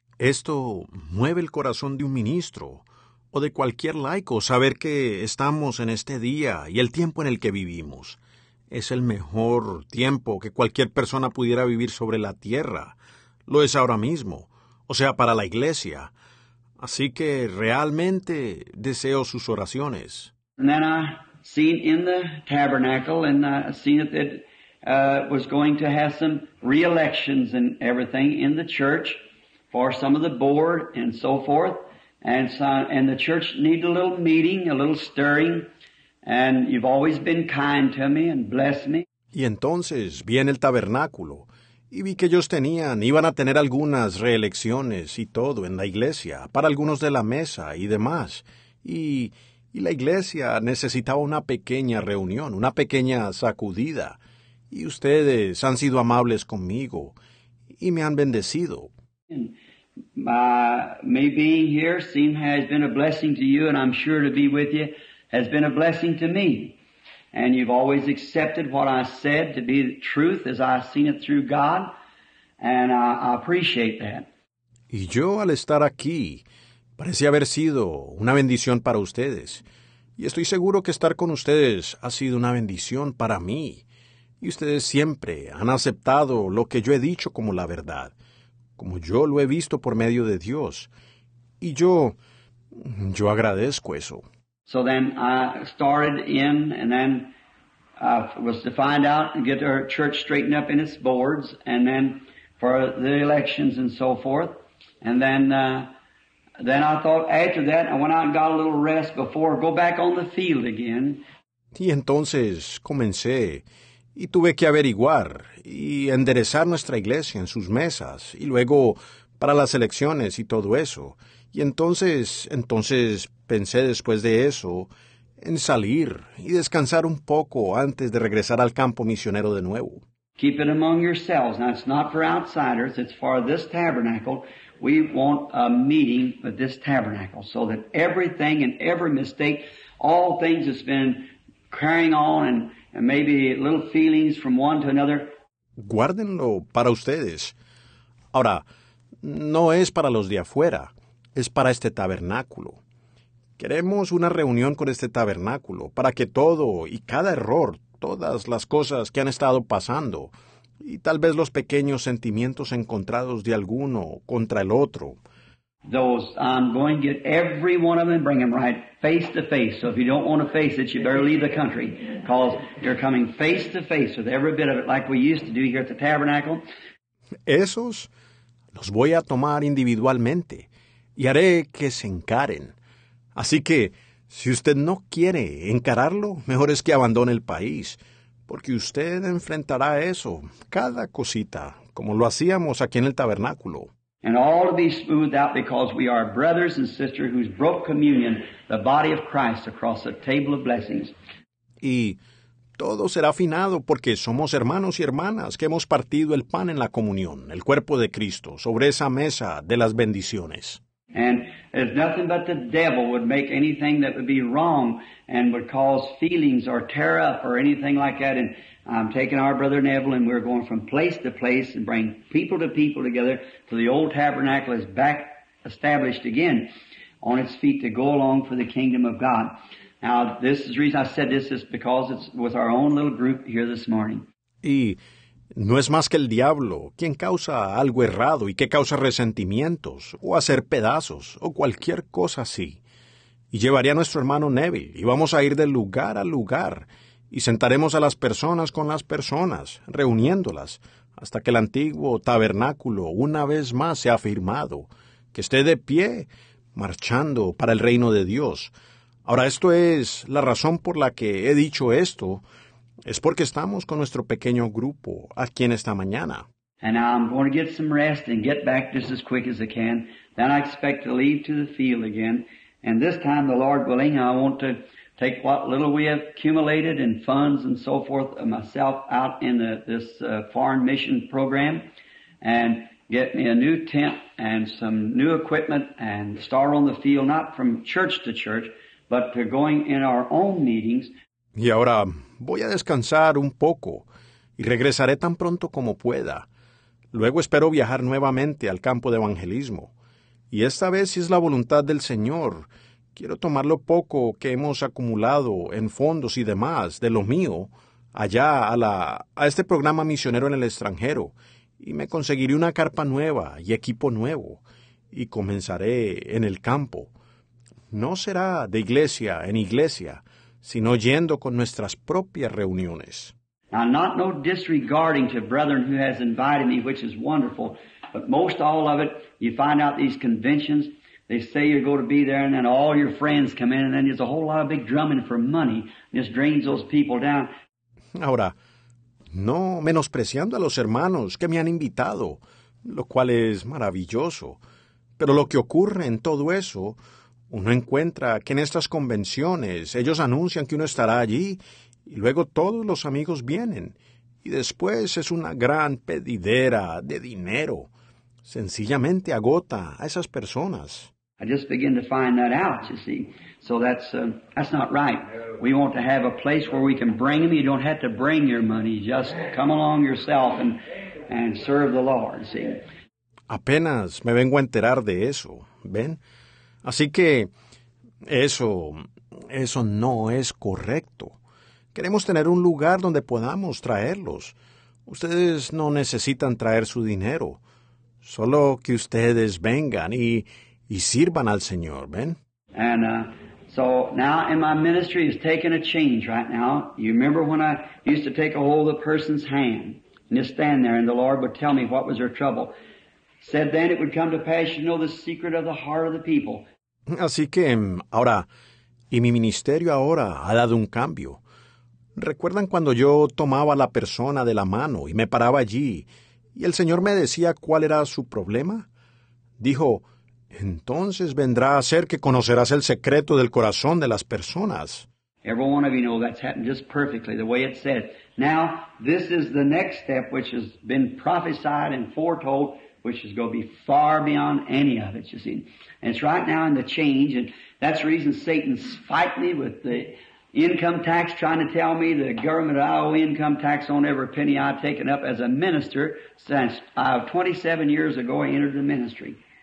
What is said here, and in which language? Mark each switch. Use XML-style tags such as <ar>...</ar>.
<es>Esto mueve el corazón de un ministro o de cualquier laico saber que estamos en este día y el tiempo en el que vivimos. Es el mejor tiempo que cualquier persona pudiera vivir sobre la tierra. Lo es ahora mismo. O sea, para la iglesia. Así que realmente deseo sus oraciones.</es> <en>And then I seen in the tabernacle, and I seen that it was going to have some re-elections and everything in the church for some of the board and so forth. And so, and the church needed a little meeting, a little stirring. And you've always been kind to me and blessed me.</en> <es>Y entonces vi en el tabernáculo, y vi que ellos iban a tener algunas reelecciones y todo en la iglesia, para algunos de la mesa y demás. Y y la iglesia necesitaba una pequeña reunión, una pequeña sacudida. Y ustedes han sido amables conmigo y me han bendecido.</es> <en>Me being here seems has been a blessing to you, and I'm sure to be with you has been a blessing to me. And you've always accepted what I said to be the truth as I've seen it through God, and I appreciate that.</en> <es>Y yo al estar aquí parece haber sido una bendición para ustedes, y estoy seguro que estar con ustedes ha sido una bendición para mí. Y ustedes siempre han aceptado lo que yo he dicho como la verdad, como yo lo he visto por medio de Dios. Y yo agradezco eso.</es> <en>So then I started in, and then I was to find out and get our church straightened up in its boards, and then for the elections and so forth. And then I thought after that, I went out and got a little rest before, go back on the field again.</en> <es>Y entonces comencé. Y tuve que averiguar y enderezar nuestra iglesia en sus mesas, y luego para las elecciones y todo eso. Y entonces pensé después de eso en salir y descansar un poco antes de regresar al campo misionero de nuevo.</es> <en>Keep it among yourselves. Now it's not for outsiders, it's for this tabernacle. We want a meeting with this tabernacle so that everything and every mistake, all things that's been carrying on and maybe little feelings from one to another.</en> <es>Guárdenlo para ustedes. Ahora, no es para los de afuera. Es para este tabernáculo. Queremos una reunión con este tabernáculo para que todo y cada error, todas las cosas que han estado pasando, y tal vez los pequeños sentimientos encontrados de alguno contra el otro.</es> <en>Those, I'm going to get every one of them and bring them right face to face. So if you don't want to face it, you better leave the country, because you're coming face to face with every bit of it like we used to do here at the tabernacle.</en> <es>Esos los voy a tomar individualmente y haré que se encaren. Así que si usted no quiere encararlo, mejor es que abandone el país, porque usted enfrentará eso, cada cosita, como lo hacíamos aquí en el tabernáculo.</es> <en>And all to be smoothed out because we are brothers and sisters who's broke communion, the body of Christ, across the table of blessings.</en> <es>Y todo será afinado porque somos hermanos y hermanas que hemos partido el pan en la comunión, el cuerpo de Cristo, sobre esa mesa de las bendiciones.</es> <en>And there's nothing but the devil would make anything that would be wrong and would cause feelings or tear up or anything like that. And I'm taking our brother Neville and we're going from place to place and bring people to people together till the old tabernacle is back established again on its feet to go along for the kingdom of God. Now, this is the reason I said this is because it's with our own little group here this morning.</en> <es>Y no es más que el diablo quien causa algo errado y que causa resentimientos o hacer pedazos o cualquier cosa así. Y llevaría a nuestro hermano Neville y vamos a ir de lugar a lugar y sentaremos a las personas con las personas, reuniéndolas, hasta que el antiguo tabernáculo una vez más sea firmado, que esté de pie, marchando para el reino de Dios. Ahora, esto es la razón por la que he dicho esto. Es porque estamos con nuestro pequeño grupo aquí en esta mañana.</es> <en>And I'm going to get some rest and get back just as quick as I can. Then I expect to leave to the field again. And this time, the Lord willing, I want to take what little we have accumulated in funds and so forth of myself out in this foreign mission program and get me a new tent and some new equipment and start on the field, not from church to church, but to going in our own meetings.</en> <es>Y ahora voy a descansar un poco y regresaré tan pronto como pueda. Luego espero viajar nuevamente al campo de evangelismo. Y esta vez, si es la voluntad del Señor, quiero tomar lo poco que hemos acumulado en fondos y demás de lo mío allá a este programa misionero en el extranjero, y me conseguiré una carpa nueva y equipo nuevo y comenzaré en el campo. No será de iglesia en iglesia, sino yendo con nuestras propias reuniones.</es> <en>Now, not no disregarding to brethren who has invited me, which is wonderful, but most all of it, you find out these conventions, they say you're going to be there, and then all your friends come in, and then there's a whole lot of big drumming for money, and this drains those people down.</en> <es>Ahora, no menospreciando a los hermanos que me han invitado, lo cual es maravilloso, pero lo que ocurre en todo eso, Uno encuentra que en estas convenciones ellos anuncian que uno estará allí y luego todos los amigos vienen y después es una gran pedidera de dinero. Sencillamente agota a esas personas.</es> <en>I just begin to find that out, you see. So that's not right. We want to have a place where we can bring them. You don't have to bring your money. Just come along yourself and serve the Lord, see.</en> <es>Apenas me vengo a enterar de eso, ¿ven? Así que eso no es correcto. Queremos tener un lugar donde podamos traerlos. Ustedes no necesitan traer su dinero. Solo que ustedes vengan y sirvan al Señor, ¿ven?</es> <en>And so now in my ministry is taking a change right now. You remember when I used to take a hold of the person's hand and just stand there and the Lord would tell me what was their trouble. Said then it would come to pass, you know, the secret of the heart of the people.</en> <es>Así que ahora, y mi ministerio ahora ha dado un cambio. ¿Recuerdan cuando yo tomaba a la persona de la mano y me paraba allí y el Señor me decía cuál era su problema? Dijo, entonces vendrá a ser que conocerás el secreto del corazón de las personas.</es> <en>Every one of you know that's happened just perfectly, the way it said. Now, this is the next step which has been prophesied and foretold, which is going to be far beyond any of it, you see. And it's right now in the change, and that's the reason Satan's fighting me with the income tax, trying to tell me the government I owe income tax on every penny I've taken up as a minister since 27 years ago I entered the ministry.</en>